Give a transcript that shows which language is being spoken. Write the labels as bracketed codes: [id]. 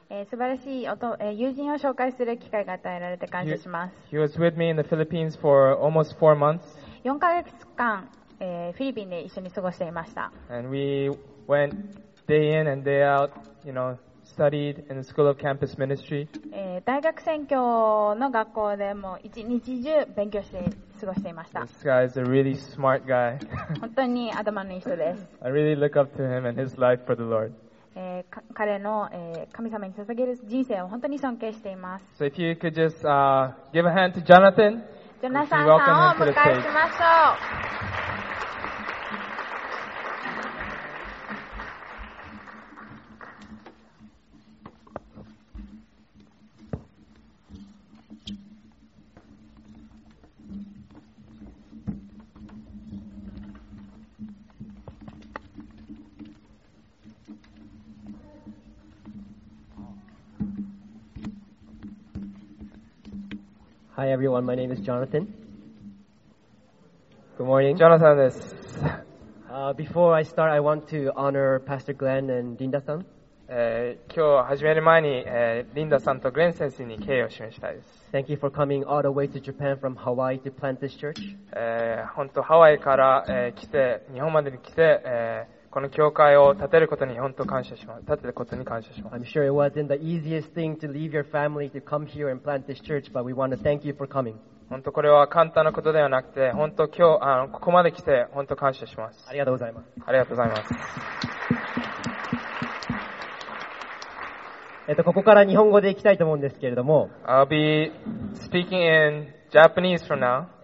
[ja] 素晴らしい友人を紹介する機会が与えられて感謝します。 [en] He was with me in the Philippines for almost 4 months. [ja] 4ヶ月間、フィリピンで一緒に過ごしていました。 [en] And we went day in and day out, you know, studied in the School of Campus Ministry. [ja] 大学宣教の学校でも一日中勉強して過ごしていました。 [en] This guy is a really smart guy. [ja] 本当に頭のいい人です。 [en] I really look up to him and his life for the Lord. [ja] 彼の神様に捧げる人生を本当に尊敬しています。 [en] So if you could just give a hand to Jonathan. [ja] ジョナサンさんを迎えしましょう。 [en] Hi everyone, my name is Jonathan. Good morning. [ja] Jonathan です。 [en] Before I start, I want to honor Pastor Glenn and Linda-san. [ja] 今日始める前に、Linda さんと Glenn 先生に敬意を示したいです。 [en] Thank you for coming all the way to Japan from Hawaii to plant this church. [ja] 本当、ハワイから、来て、日本までに来て、この教会を建てることに本当感謝します。建てることに感謝します。 [en] I'm sure it wasn't the easiest thing to leave your family to come here and plant this church, but we want to thank you for coming. [ja] 本当これは簡単なことではなくて、本当今日ここまで来て本当感謝します。ありがとうございます。ありがとうございます。ここから日本語でいきたいと思うんですけれども、 [en] I'll be speaking in Japanese from now.